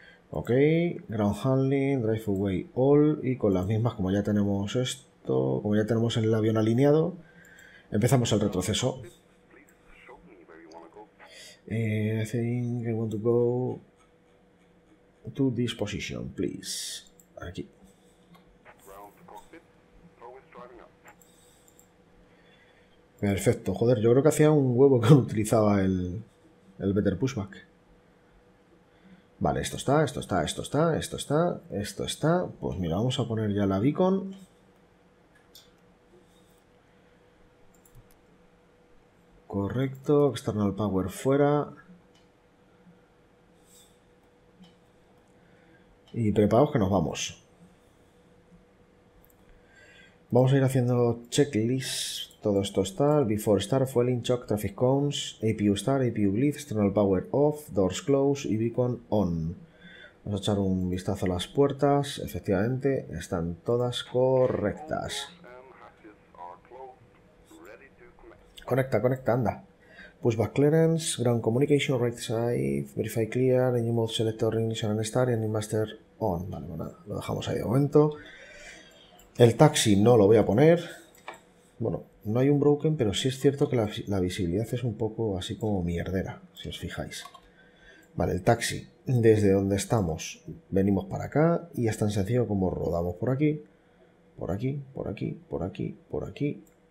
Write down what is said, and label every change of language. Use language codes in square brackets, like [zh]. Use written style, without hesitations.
[en] Ok, ground handling, drive away all [es] y con las mismas, como ya tenemos esto, como ya tenemos el avión alineado, empezamos el retroceso. [en] I think I want to go to this position, please. [es] Aquí. Perfecto, joder, yo creo que hacía un huevo que no utilizaba el Better Pushback. Vale, esto está, esto está, esto está, esto está, esto está. Pues mira, vamos a poner ya la beacon. Correcto, external power fuera. Y preparados que nos vamos. Vamos a ir haciendo checklist. Todo esto está. [en] Before start, fueling, choke, traffic cones, APU start, APU bleed, external power off, doors close [es] y beacon on. Vamos a echar un vistazo a las puertas. Efectivamente, están todas correctas. Conecta, conecta, anda. [en] Pushback clearance, ground communication, right side, verify clear, engine mode selector, ignition and start, engine master on. [es] Vale, bueno, lo dejamos ahí de momento. El taxi no lo voy a poner. Bueno, no hay un broken, pero sí es cierto que la visibilidad es un poco así como mierdera, si os fijáis. Vale, el taxi, desde donde estamos, venimos para acá y es tan sencillo como rodamos por aquí, por aquí, por aquí, por aquí, por aquí.